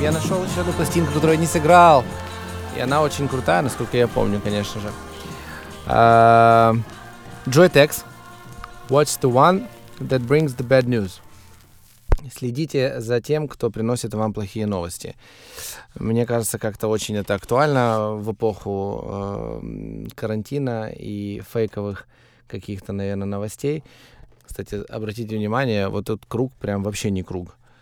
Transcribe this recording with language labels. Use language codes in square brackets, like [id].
[ru] Я нашел еще одну пластинку, которую я не сыграл. И она очень крутая, насколько я помню, конечно же. [en] Joy Tex. What's the one that brings the bad news? [ru] Следите за тем, кто приносит вам плохие новости. Мне кажется, как-то очень это актуально в эпоху карантина и фейковых каких-то, наверное, новостей. Кстати, обратите внимание, вот этот круг прям вообще не круг.